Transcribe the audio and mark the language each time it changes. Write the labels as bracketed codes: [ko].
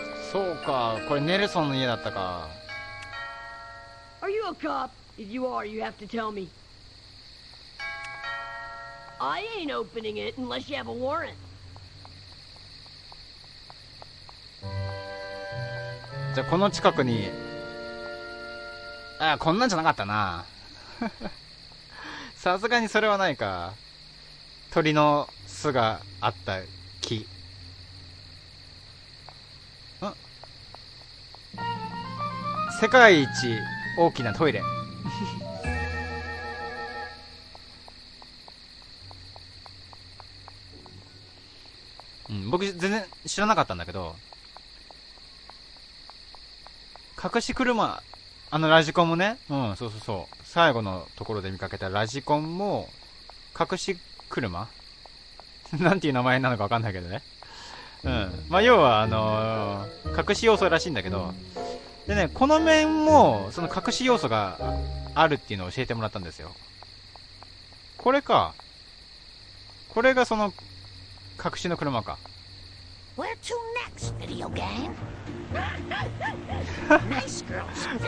[ja] そうか、これネルソンの家だったか。 [en] Are you a cop? If you are, you have to tell me. I ain't opening it unless you have a warrant. [ja] じゃあこの近くに、あ、こんなんじゃなかったな。さすがにそれはないか。鳥の巣があった木。世界一大きなトイレ。うん、僕全然知らなかったんだけど、隠し車、あのラジコンもね、うん、そうそうそう、最後のところで見かけたラジコンも隠し車なんていう名前なのか分かんないけどね。うん、まあ要は隠し要素らしいんだけど、でね、この面もその隠し要素があるっていうのを教えてもらったんですよ。これか、これがその隠しの車か。 [en] Where to next, video game?